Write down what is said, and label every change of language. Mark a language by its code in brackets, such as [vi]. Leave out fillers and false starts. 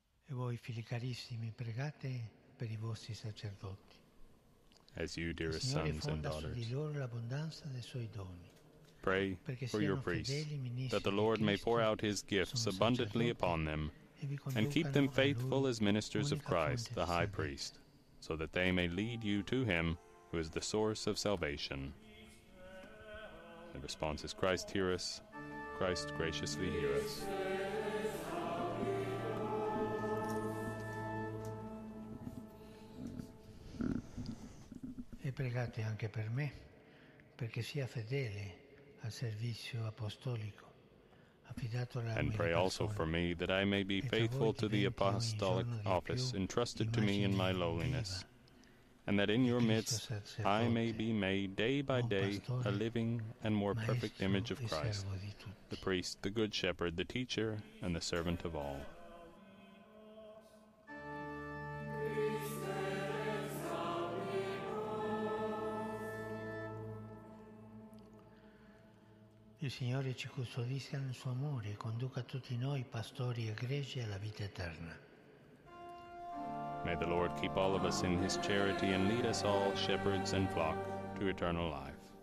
[it] E voi, figli carissimi, pregate per I vostri sacerdoti. [en] As you, dearest sons and daughters, [it] di loro l'abbondanza dei suoi doni. [en] Pray for your priests, that the Lord may pour out his gifts abundantly upon them and keep them faithful as ministers of Christ, the High Priest, so that they may lead you to him who is the source of salvation. The response is, Christ, hear us. Christ, graciously hear us. [it] E pregate anche per me, perché sia fedele al servizio apostolico. [en] And pray also for me that I may be faithful to the apostolic office entrusted to me in my lowliness, and that in your midst I may be made day by day a living and more perfect image of Christ, the priest, the good shepherd, the teacher, and the servant of all. [it] Il Signore ci custodisca nel suo amore e conduca tutti noi, pastori e greci, alla vita eterna. [en] May the Lord keep all of us in his charity and lead us all, shepherds and flock, to eternal life.